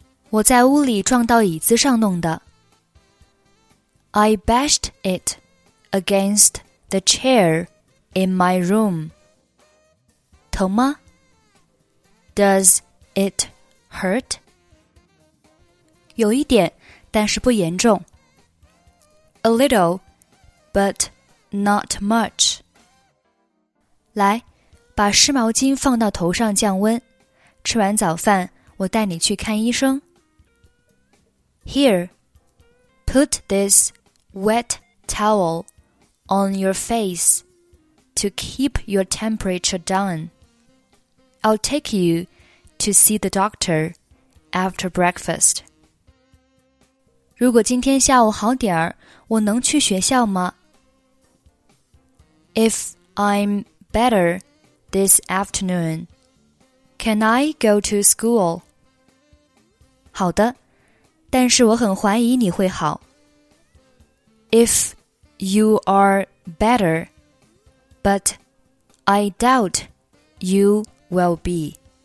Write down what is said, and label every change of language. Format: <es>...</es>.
<zh>我在屋里撞到椅子上弄的。</zh> <en>I bashed it against the chair in my room.</en> <zh>疼吗？</zh> <en>Does it hurt?</en> <zh>有一点。但是不严重。</zh> <en>A little, but not much.</en> <zh>来，把湿毛巾放到头上降温。吃完早饭，我带你去看医生。</zh> <en>Here, put this wet towel on your face to keep your temperature down. I'll take you to see the doctor after breakfast.</en> <zh>如果今天下午好点儿，我能去学校吗？</zh> <en>If I'm better this afternoon, can I go to school?</en> <zh>好的，但是我很怀疑你会好。</zh> <en>If you are better, but I doubt you will be.</en>